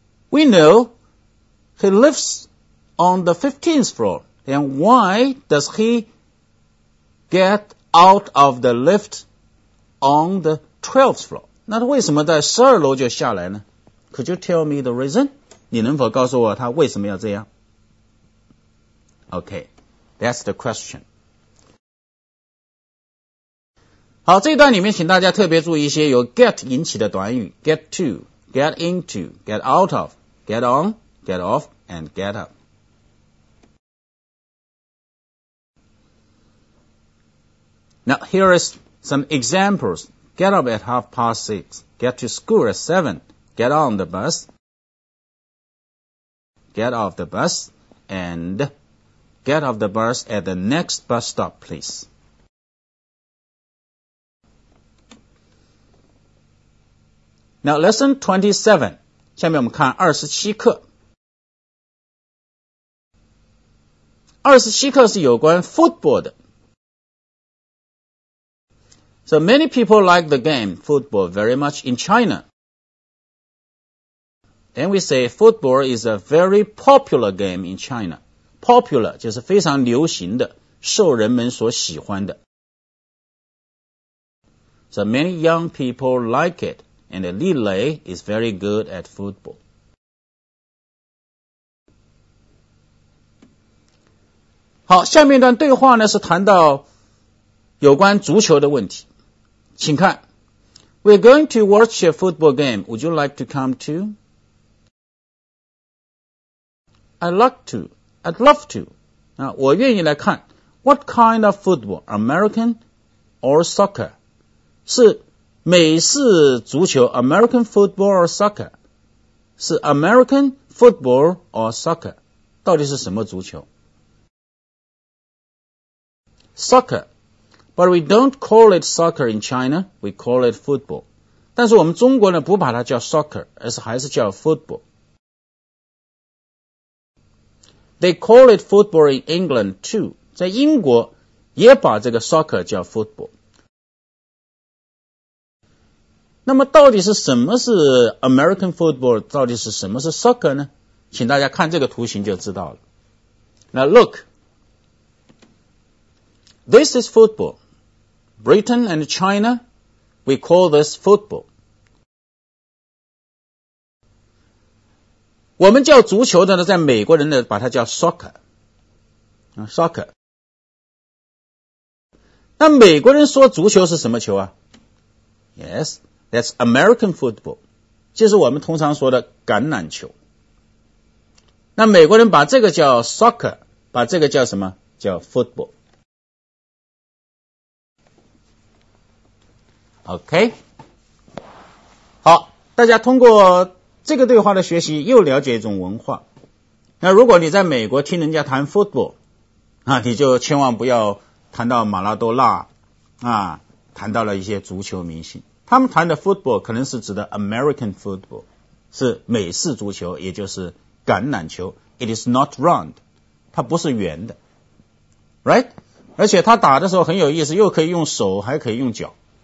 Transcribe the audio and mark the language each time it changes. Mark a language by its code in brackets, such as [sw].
[en] We know he lives on the 15th floor, then why does he get out of the lift on the 12th floor? [zh] 那他为什么在12楼就下来呢？ [en] Could you tell me the reason? [zh] 你能否告诉我他为什么要这样？ [en] Okay, that's the question. [zh] 好，这一段里面请大家特别注意一些由 get 引起的短语， [en] get to, get into, get out of, get on, get off, and get up. Now, here is some examples. Get up at 6:30, get to school at 7,Get on the bus, get off the bus, and get off the bus at the next bus stop, please. [zh] 那 lesson 27, 下面我们看27课。 27课是有关 football 的。 [en] So many people like the game football very much in China. Then we say football is a very popular game in China. [zh] Popular 就是非常流行的，受人们所喜欢的。 [en] So many young people like it, and Li Lei is very good at football. [zh] 好，下面一段对话呢是谈到有关足球的问题，请看。 [en] We're going to watch a football game. Would you like to come too? I'd love to. [zh] 啊，我愿意来看。 [en] What kind of football? American or soccer? [zh] 是美式足球 [en] ,American football or soccer? 是 American football or soccer? [zh] 到底是什么足球？ [en] Soccer, but we don't call it soccer in China, we call it football. [zh] 但是我们中国呢不把它叫 soccer, 而是还是叫 football. [en] They call it football in England too. [zh] 在英国也把这个 soccer 叫 football. 那么到底是什么是 American football, 到底是什么是 soccer 呢？请大家看这个图形就知道了。 [en] Now look. This is football. Britain and China, we call this football. [zh] 我们叫足球的呢，在美国人呢，把它叫 soccer. 那美国人说足球是什么球啊？ [en] Yes, that's American football. [zh] 就是我们通常说的橄榄球。那美国人把这个叫 soccer, 把这个叫什么？叫 football. OK, 好，大家通过这个对话的学习又了解一种文化。那如果你在美国听人家谈 football, 啊，你就千万不要谈到马拉多纳啊，谈到了一些足球明星。他们谈的 football 可能是指的 American football, 是美式足球，也就是橄榄球。 [en] It is not round, [zh] 它不是圆的。 [en] Right? [zh] 而且它打的时候很有意思，又可以用手还可以用脚。